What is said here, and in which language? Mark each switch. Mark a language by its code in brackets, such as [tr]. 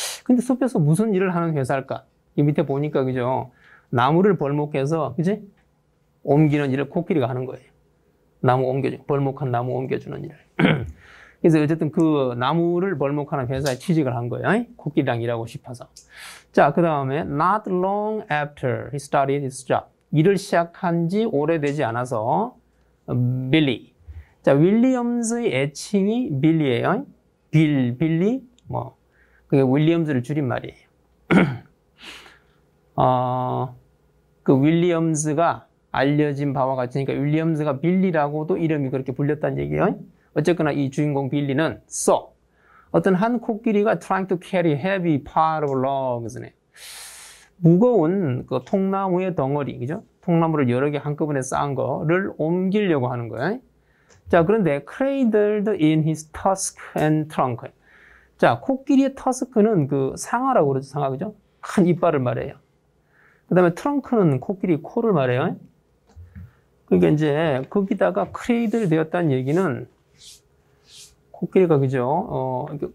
[ko] 근데 숲에서 무슨 일을 하는 회사일까? 이 밑에 보니까, 그죠? 나무를 벌목해서, 그지? 옮기는 일을 코끼리가 하는 거예요. 나무 옮겨주, 벌목한 나무 옮겨주는 일을. 그래서 어쨌든 그 나무를 벌목하는 회사에 취직을 한 거예요. 코끼리랑 일하고 싶어서. 자, 그 다음에, [en] not long after he started his job. [ko] 일을 시작한 지 오래되지 않아서, Billy. 자, 윌리엄스의 애칭이 빌리예요. 빌리? 뭐. 그게 윌리엄스를 줄인 말이에요. 그 윌리엄스가 알려진 바와 같으니까 윌리엄스가 빌리라고도 이름이 그렇게 불렸다는 얘기예요. 어쨌거나 이 주인공 빌리는 [en] so [ko] 어떤 한 코끼리가 [en] trying to carry heavy pot of logs네. [ko] 무거운 그 통나무의 덩어리, 그죠? 통나무를 여러 개 한꺼번에 쌓은 거를 옮기려고 하는 거예요. 자, 그런데 [en] cradled in his tusk and trunk. [ko] 자, 코끼리의 터스크는 그 상아라고 그러죠, 상아, 그죠? 큰 이빨을 말해요. 그 다음에 트렁크는 코끼리 코를 말해요. 그러니까 이제 거기다가 크레이들 되었다는 얘기는 코끼리가 그죠?